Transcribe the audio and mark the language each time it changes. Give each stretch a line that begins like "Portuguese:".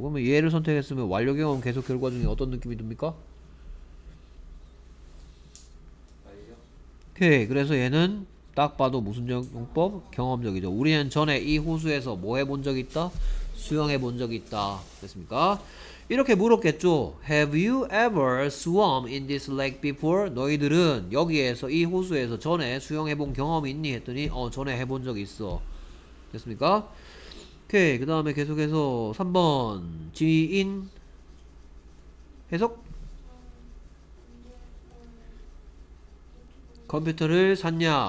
Korean: 그러면 얘를 선택했으면 완료 경험 계속 결과 중에 어떤 느낌이 듭니까? 오케이. 그래서 얘는 딱 봐도 무슨 용법? 경험적이죠. 우리는 전에 이 호수에서 뭐 해본 적 있다? 수영해 본 적 있다. 됐습니까? 이렇게 물었겠죠.
English: Have you ever swum in this lake before?
Korean: 너희들은 여기에서 이 호수에서 전에 수영해 본 경험이 있니? 했더니 전에 해본 적 있어. 됐습니까? 오케이. 그 다음에 계속해서 3번 지인 해석 컴퓨터를 샀냐?